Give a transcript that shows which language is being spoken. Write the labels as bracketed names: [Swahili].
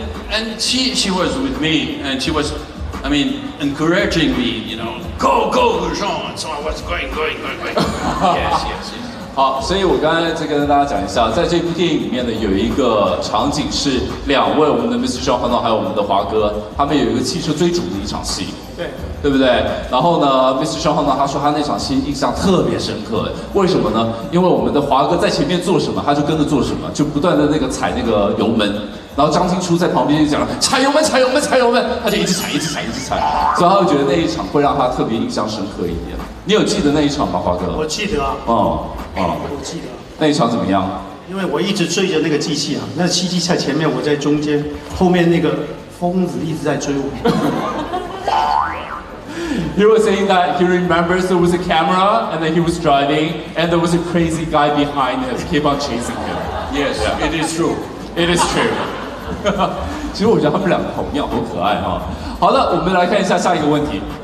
[English] And she was with me, and she was, I mean, encouraging me, you know, go, Jean. So I was going. yes. [Chinese] 好，所以我刚才在跟大家讲一下，在这部电影里面呢，有一个场景是两位我们的 Mr. Sean Hanold 还有我们的华哥，他们有一个汽车追逐的一场戏，对，对不对？然后呢 ，Mr. Sean Hanold 他说他那场戏印象特别深刻，为什么呢？因为我们的华哥在前面做什么，他就跟着做什么，就不断的那个踩那个油门。然后张青初在旁边就讲了踩油门踩油门踩油门，他就一直踩，所以他就觉得那一场会让他特别印象深刻一点。你有记得那一场吗，华哥？我记得啊。我记得。那一场怎么样？因为我一直追着那个机器啊，那机器在前面，我在中间，后面那个疯子一直在追我。 [English] He was saying that he remembers there was a camera and that he was driving and there was a crazy guy behind him keep on chasing him. Yes, it is true. It is true. [Chinese] 其实我觉得他们两个好妙，好可爱哈、啊。好了，我们来看一下下一个问题。